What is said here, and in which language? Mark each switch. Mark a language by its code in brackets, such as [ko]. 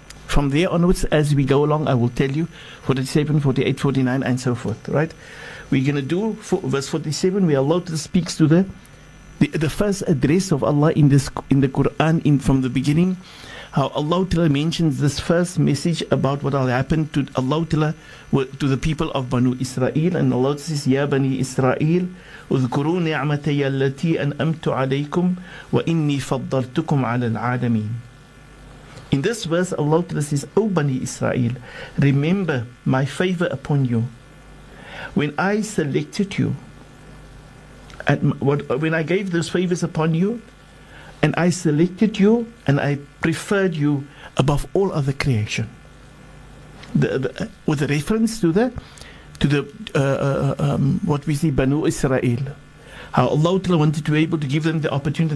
[en] From there onwards, as we go along, I will tell you 47, 48, 49, and so forth, right? We're going to do verse 47, where Allah speaks to the first address of Allah in the Quran from the beginning. How Allah Ta'ala mentions this first message about what will happen to Allah Ta'ala, to the people of Banu Israel. And Allah says, Ya Bani Israel, [ar] اذكروا نعمتي التي أنأمت عليكم وإني فضلتكم على العالمين. [en] In this verse, Allah Ta'ala says, O Bani Israel, remember my favor upon you. When I selected you, when I gave those favors upon you, and I selected you, and I preferred you above all other creation, with a reference to the what we see, Banu Israel, how Allah Ta'ala wanted to be able to give them the opportunity.